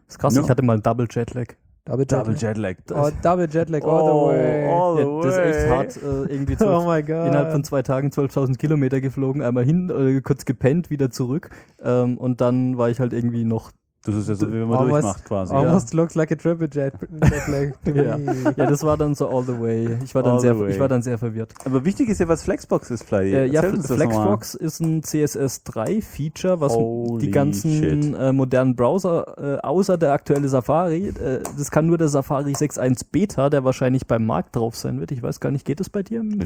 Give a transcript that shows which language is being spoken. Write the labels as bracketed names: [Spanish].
[German] Ist krass, ich hatte mal einen Double Jetlag. Double Jetlag. [English] Oh, Double Jetlag all the way. [German] Ja, das ist echt hart. Irgendwie innerhalb von 2 Tagen 12.000 Kilometer geflogen. Einmal hin, kurz gepennt, wieder zurück. Und dann war ich halt irgendwie noch... Das ist ja so, wie man [English] almost, [German] durchmacht quasi. [English] Almost looks like a triple jetlag. [German] Ja, das war dann so [English] all the way. [German] Ich war dann sehr verwirrt. Aber wichtig ist ja, was Flexbox ist, Fly. Flexbox ist ein CSS3-Feature, was die ganzen modernen Browser, außer der aktuelle Safari, das kann nur der Safari 6.1 Beta, der wahrscheinlich beim Markt drauf sein wird. Ich weiß gar nicht, geht es bei dir?